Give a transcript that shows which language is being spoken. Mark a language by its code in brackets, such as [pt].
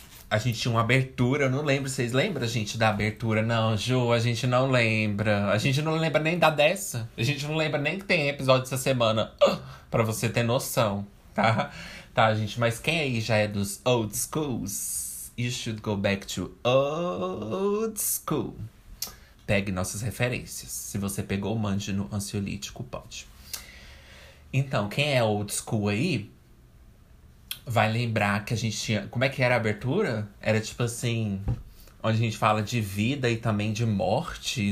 [pt] A gente tinha uma abertura, eu não lembro. Vocês lembram, gente, da abertura? Não, Ju, a gente não lembra. A gente não lembra nem da dessa. A gente não lembra nem que tem episódio essa semana. Pra você ter noção, tá? Tá, gente, mas quem aí já é dos old schools? [en] You should go back to old school. [pt] Pegue nossas referências. Se você pegou, mande no ansiolítico, pode. Então, quem é old school aí? Vai lembrar que a gente tinha. Como é que era a abertura? Era tipo assim, onde a gente fala de vida e também de morte.